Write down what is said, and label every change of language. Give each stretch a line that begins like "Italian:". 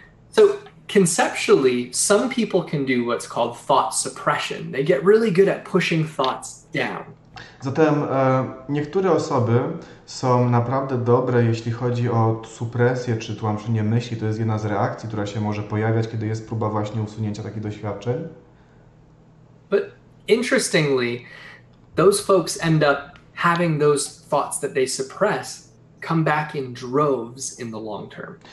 English: So conceptually, some people can do what's called thought suppression. They get really good at pushing thoughts down.
Polish: Zatem niektóre osoby są naprawdę dobre, jeśli chodzi o supresję czy tłamszenie myśli. To jest jedna z reakcji, która się może pojawiać, kiedy jest próba właśnie usunięcia takich doświadczeń.
English: But interestingly, those folks end up having those thoughts that they suppress come back in droves in the long term.